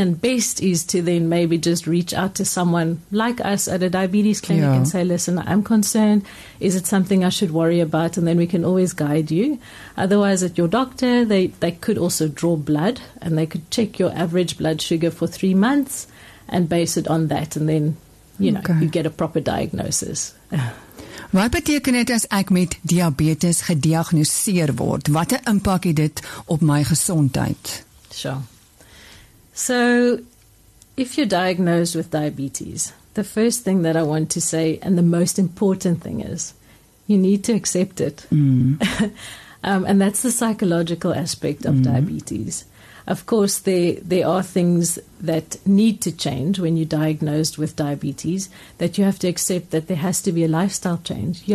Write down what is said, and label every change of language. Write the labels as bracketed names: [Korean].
[English] And best is to then maybe just reach out to someone like us at a diabetes clinic and say, listen, I'm concerned. Is it something I should worry about? And then we can always guide you. Otherwise, at your doctor, they could also draw blood, and they could check your average blood sugar for 3 months and base it on that. And then, you get a proper diagnosis. [Afrikaans] Wat beteken dit as ek met diabetes gediagnoseer word? Wat 'n impak het dit op my gesondheid? [English] Sure. So if you're diagnosed with diabetes, the first thing that I want to say and the most important thing is you need to accept it. and that's the psychological aspect of diabetes. Of course, there are things that need to change when you're diagnosed with diabetes that you have to accept that there has to be a lifestyle change.